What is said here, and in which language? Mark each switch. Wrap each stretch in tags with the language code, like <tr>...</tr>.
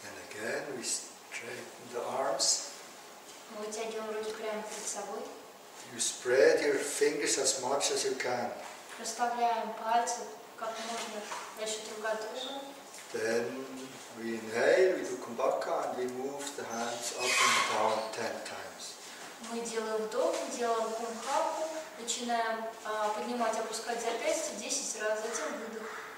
<en>Again, we straighten the arms.</en> <ru>Мы вытягиваем руки прямо перед собой.</ru> <en>You spread your fingers as much as you can.</en> <ru>Расставляем пальцы как можно дальше друг от друга.</ru> <en>Then we inhale, we do kumbhaka, and we move the hands up and down 10 times.</en> <ru>Мы делаем вдох, делаем кумхаку, начинаем поднимать, опускать запястье 10 раз, затем выдох.</ru>